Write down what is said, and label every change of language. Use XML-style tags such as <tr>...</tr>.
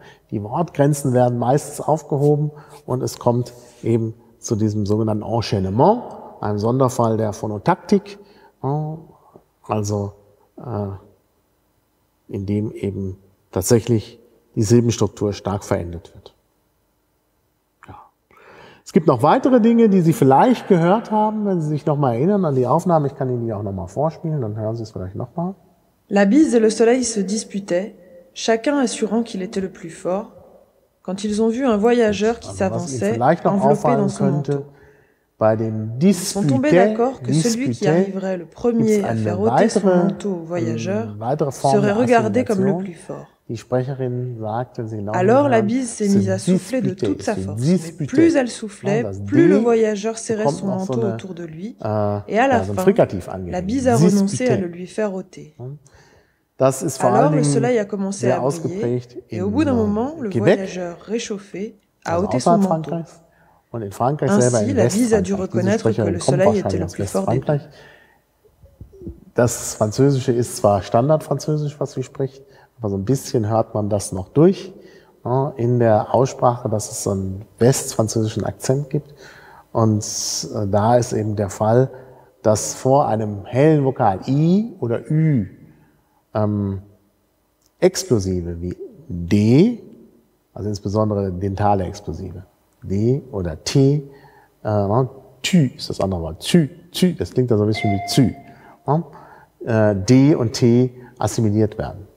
<de>Die Wortgrenzen werden meistens aufgehoben und es kommt eben zu diesem sogenannten Enchaînement, einem Sonderfall der Phonotaktik, also in dem eben tatsächlich die Silbenstruktur stark verändert wird. Es gibt noch weitere Dinge, die Sie vielleicht gehört haben, wenn Sie sich nochmal erinnern an die Aufnahme. Ich kann Ihnen die auch nochmal vorspielen, dann hören Sie es vielleicht nochmal.</de> <fr>La bise et le soleil se disputaient, chacun assurant qu'il était le plus fort, quand ils ont vu un voyageur qui s'avançait, enveloppé dans son manteau. Ils sont tombés d'accord que celui qui arriverait le premier à faire ôter son manteau au voyageur serait regardé comme le plus fort.</fr> <de>Die Sprecherin sagt, wenn sie genau</de> <fr>alors la bise s'est mise à souffler de toute sa force. Mais plus elle soufflait, plus le voyageur serrait son manteau autour de lui. Et à la fin, la bise a renoncé à le lui faire ôter.</fr> <de>Das ist vor allem</de> <fr>alors le soleil a commencé à briller. Et au bout d'un moment, le voyageur réchauffé a ôté son manteau.</fr> <de>Und in Frankreich</de> <fr>ainsi,</fr> <de>selber,</de> <fr>la bise a dû reconnaître que le soleil était le plus fort des deux.</fr> <de>Das Französische ist zwar Standardfranzösisch, was sie spricht. Aber so ein bisschen hört man das noch durch in der Aussprache, dass es so einen westfranzösischen Akzent gibt. Und da ist eben der Fall, dass vor einem hellen Vokal I oder Ü Explosive wie D, also insbesondere dentale Explosive, D oder T, Tü ist das andere Wort, Tü, Tü, das klingt da so ein bisschen wie Zü, D und T assimiliert werden.</de>